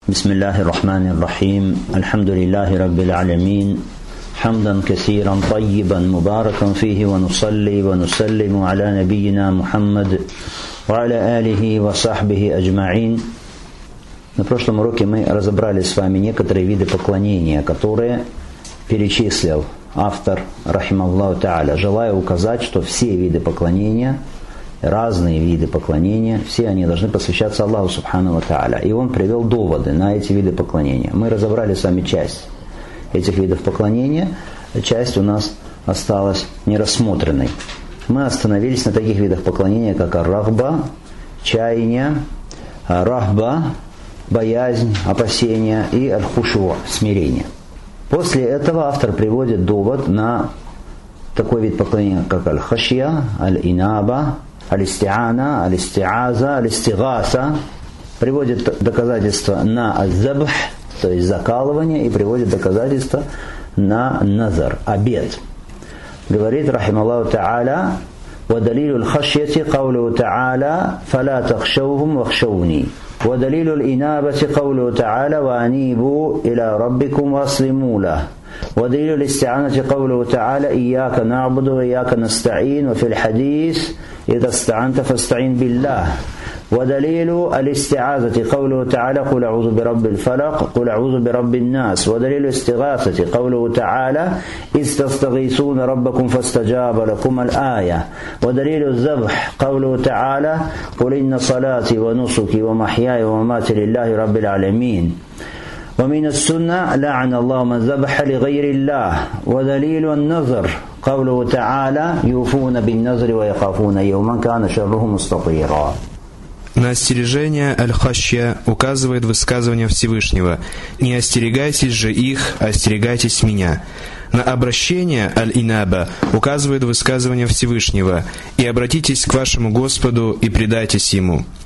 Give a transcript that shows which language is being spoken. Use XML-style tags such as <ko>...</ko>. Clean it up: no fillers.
<ar>بسم الله الرحمن الرحيم الحمد لله رب العالمين حمدا كثيرا طيبا مباركا فيه ونصلي ونسلم على نبينا محمد وعلى آله وصحبه أجمعين.</ar> <ru>На прошлом уроке мы разобрали с вами некоторые виды поклонения, которые перечислил автор, рахималлаху тааля. Желаю указать, что все виды поклонения, разные виды поклонения, все они должны посвящаться Аллаху Субхану ва Тааля. И он привел доводы на эти виды поклонения. Мы разобрали с вами часть этих видов поклонения, часть у нас осталась нерассмотренной. Мы остановились на таких видах поклонения, как рахба, чаяние, рахба, боязнь, опасение и аль-хушу, смирение. После этого автор приводит довод на такой вид поклонения, как аль-хашья, аль-инаба, аль-истиана, аль-истиаза, аль-истигаса, приводит доказательства на аз-забх, то есть закалывание, и приводит доказательства на назар, обет. Говорит рахималлаху тааля:</ru> <ar>«Ва далилю аль-хашьяти каулю тааля, фала тахшаухум вахшауни». ودليل الإنابة قوله تعالى وأنيبوا إلى ربكم وأسلموا له ودليل الاستعانة قوله تعالى إياك نعبد وإياك نستعين وفي الحديث إذا استعنت فاستعين بالله ودليل الاستعاذة قوله تعالى قل أعوذ برب الفلق قل أعوذ برب الناس ودليل الاستغاثة قوله تعالى إذ تستغيثون ربكم فاستجاب لكم الآية ودليل الذبح قوله تعالى قل إن صلاتي ونسكي ومحياي ومماتي لله رب العالمين ومن السنة لعن الله من ذبح لغير الله ودليل النذر قوله تعالى يوفون بالنذر ويخافون يوما كان شره مستطيرا.</ar> <ru>На остережение аль-хашья указывает высказывание Всевышнего: «Не остерегайтесь же их, остерегайтесь меня». На обращение аль-инаба указывает высказывание Всевышнего: «И обратитесь к вашему Господу и предайтесь Ему».</ru>